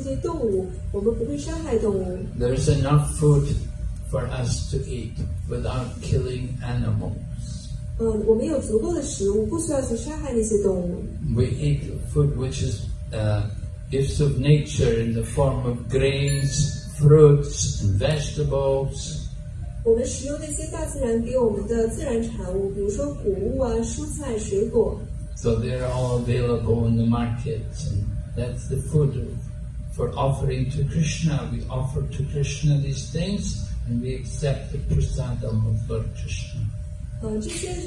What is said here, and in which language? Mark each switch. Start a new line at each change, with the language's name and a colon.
Chinese: 我们想要对所有的生物体抱有仁慈之心，尤其是对动物，我们不会伤害动物。
English: There's enough food for us to eat without killing animals.
Chinese: 我们有足够的食物，不需要去伤害那些动物。
English: We eat food which is gifts of nature in the form of grains, fruits, and vegetables.
Chinese: 我们食用那些大自然给我们的自然产物，比如说谷物啊、蔬菜、水果。
English: So they are all available in the markets, and that's the food for offering to Krishna. We offer to Krishna these things, and we accept the prasadam of Lord Krishna.